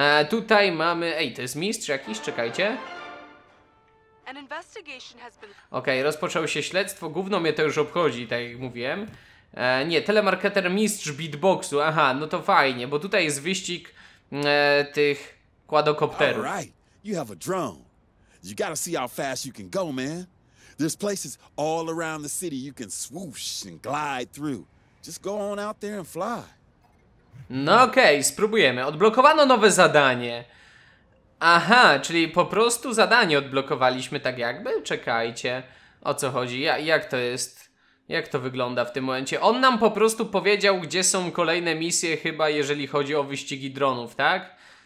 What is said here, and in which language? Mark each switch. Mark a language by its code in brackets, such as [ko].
[pl] Tutaj mamy, ej, to jest mistrz jakiś, czekajcie. Okej, rozpoczął się śledztwo. Gówno mnie to już obchodzi, tak jak mówiłem. Nie, telemarketer mistrz beatboxu. Aha, no to fajnie, bo tutaj jest wyścig tych quadokopterów. [en] All right, you have a drone. You gotta see how fast you can go, man. There's places all around the city you can swoosh and glide through. Just go on out there and fly. [pl] No okej, spróbujemy. Odblokowano nowe zadanie. Aha, czyli po prostu zadanie odblokowaliśmy tak jakby? Czekajcie, o co chodzi? Jak to jest? Jak to wygląda w tym momencie? On nam po prostu powiedział, gdzie są kolejne misje chyba, jeżeli chodzi o wyścigi dronów, tak?